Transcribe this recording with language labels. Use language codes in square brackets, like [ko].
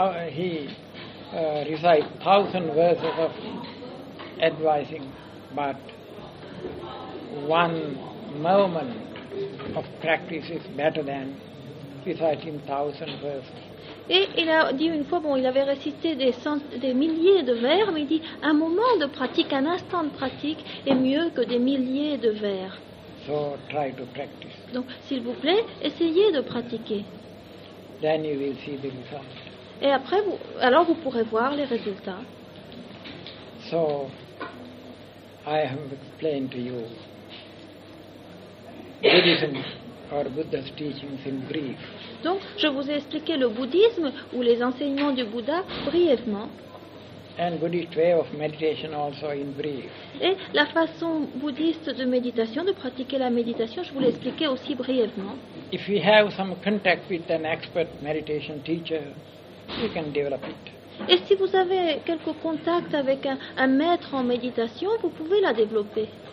[en] He recited 1,000 verses of advising, but one moment of practice is better than reciting 1,000 verses. [fr] Et il a dit une fois, bon, il avait récité des milliers de vers, mais il dit, un moment de pratique, un instant de pratique est mieux que des milliers de vers. [en] So, try to practice. [fr] Donc, s'il vous plaît, essayez de pratiquer. [en] Then you will see the results. [fr] Et après, vous pourrez voir les résultats. [en] So, I have explained to you Buddhism or Buddha's teachings in brief. [fr] Donc, je vous ai expliqué le bouddhisme ou les enseignements du Bouddha brièvement. [en] And Buddhist way of meditation also in brief. [fr] Et la façon bouddhiste de méditation, de pratiquer la méditation, je vous l'ai expliqué aussi brièvement. [en] If we have some contact with an expert meditation teacher, You can develop it. [fr] Et si vous avez quelques contacts avec un maître en méditation, vous pouvez la développer.